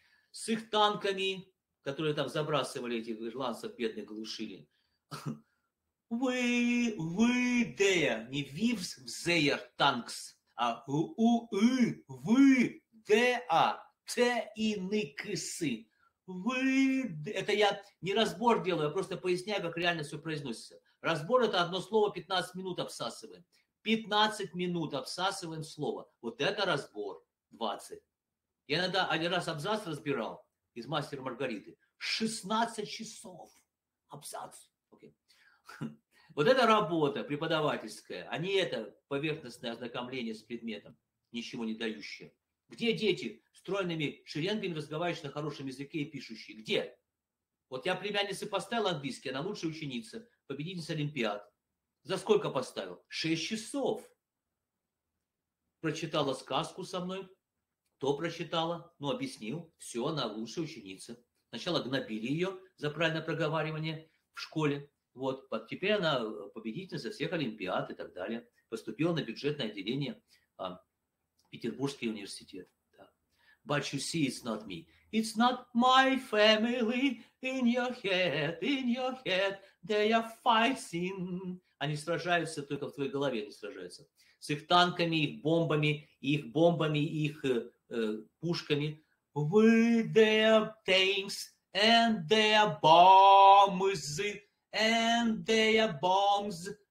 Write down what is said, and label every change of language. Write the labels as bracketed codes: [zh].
[ru] С их танками, которые там забрасывали этих ирландцев, бедных, глушили. [en] We there. Не we в their tanks, а we there. Те ины кысы. [ru] Вы, это я не разбор делаю, я просто поясняю, как реально все произносится. Разбор – это одно слово 15 минут обсасываем. 15 минут обсасываем слово. Вот это разбор 20. Я иногда один раз абзац разбирал из «Мастера Маргариты». 16 часов абзац. Okay. Вот это работа преподавательская, а не это поверхностное ознакомление с предметом, ничего не дающее. Где дети стройными шеренгами, разговаривающие на хорошем языке и пишущие? Где? Вот я племяннице поставил английский, она лучшая ученица, победительница Олимпиад. За сколько поставил? 6 часов. Прочитала сказку со мной, то прочитала, ну, объяснил. Все, она лучшая ученица. Сначала гнобили ее за правильное проговаривание в школе. Вот, теперь она победительница всех Олимпиад и так далее. Поступила на бюджетное отделение Петербургский университет. [en] Да. But you see, it's not me. It's not my family in your head. They are fighting. [ru] Они сражаются, только в твоей голове они сражаются. С их танками, их бомбами, их пушками. [en] With their tanks and their bombs and their guns.